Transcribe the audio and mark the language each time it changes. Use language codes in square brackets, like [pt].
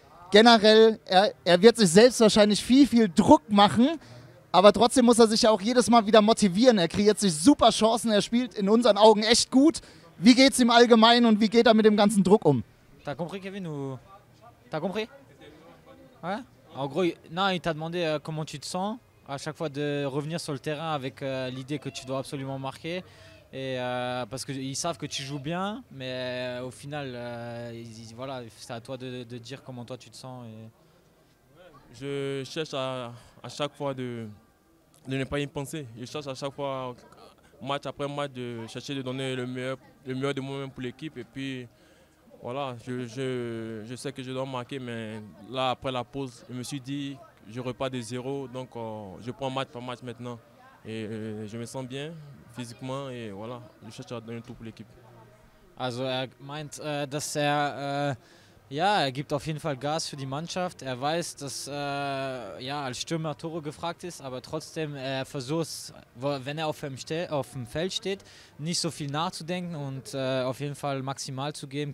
[de] Generell, er wird sich selbst wahrscheinlich viel, viel Druck machen. Aber trotzdem muss er sich ja auch jedes Mal wieder motivieren. Er kreiert sich super Chancen. Er spielt in unseren Augen echt gut. Wie geht es ihm allgemein und wie geht er mit dem ganzen Druck um? [fr] T'as compris, Kevin, ou... T'as compris? Ouais? En gros, non, il t'a demandé comment tu te sens à chaque fois de revenir sur le terrain avec l'idée que tu dois absolument marquer. Et parce qu'ils savent que tu joues bien, mais au final, voilà, c'est à toi de dire comment toi tu te sens. Et... Je cherche à chaque fois de ne pas y penser. Je cherche à chaque fois, match après match, de chercher de donner le meilleur de moi-même pour l'équipe. Et puis, voilà, je sais que je dois marquer, mais là, après la pause, je me suis dit, je repars de zéro, donc je prends match par match maintenant. Et je me sens bien, physiquement, et voilà, je cherche à donner tout pour l'équipe. [de] Also, er meint, dass er, ja, er gibt auf jeden Fall Gas für die Mannschaft. Er weiß, dass, ja, als Stürmer Tore gefragt ist, aber trotzdem, er versucht, wenn er auf dem Feld steht, nicht so viel nachzudenken und auf jeden Fall maximal zu geben.